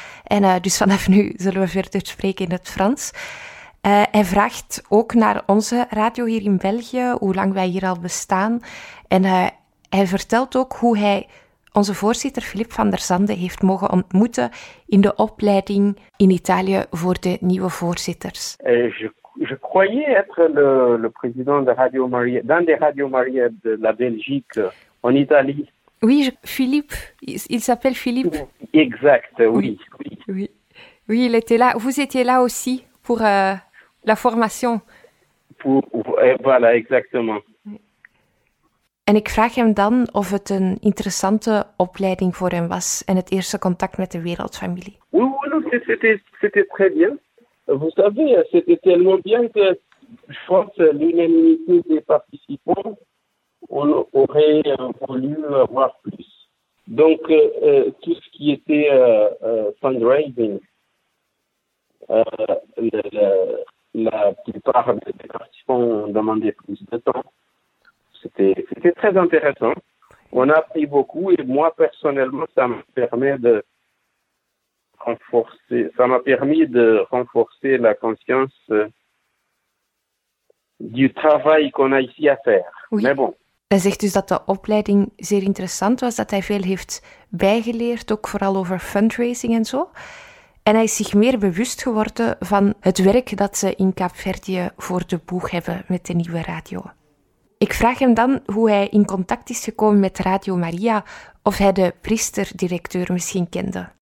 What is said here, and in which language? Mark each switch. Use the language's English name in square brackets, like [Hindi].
[Dutch] En dus vanaf nu zullen we verder spreken in het Frans. Hij vraagt ook naar onze radio hier in België, hoe lang wij hier al bestaan. En hij vertelt ook hoe hij onze voorzitter Philippe van der Zande heeft mogen ontmoeten in de opleiding in Italië voor de nieuwe voorzitters. [French] Je croyais être le président de Radio Maria, d'un des Radio Maria de la Belgique en Italie. Oui, Philippe. Il s'appelle Philippe. Exact, oui. Oui, il était là. Vous étiez là aussi pour la formation. Voilà, exactement. [Dutch] En ik vraag hem dan of het een interessante opleiding voor hem was en het eerste contact met de wereldfamilie. [French] Oui, c'était très bien. Vous savez, c'était tellement bien que je pense l'unanimité des participants, on aurait voulu avoir plus. Donc, tout ce qui était fundraising, la plupart des participants ont demandé plus de temps. C'était très intéressant. On a appris beaucoup et moi, personnellement, ça me permet de renforcer, ça m'a permis de renforcer la conscience du travail qu'on a ici à faire. Oui. Mais bon. [Dutch] Hij zegt dus dat de opleiding zeer interessant was, dat hij veel heeft bijgeleerd, ook vooral over fundraising en zo. En hij is zich meer bewust geworden van het werk dat ze in Kaapverdië voor de boeg hebben met de nieuwe radio. Ik vraag hem dan hoe hij in contact is gekomen met Radio Maria, of hij de priester-directeur misschien kende.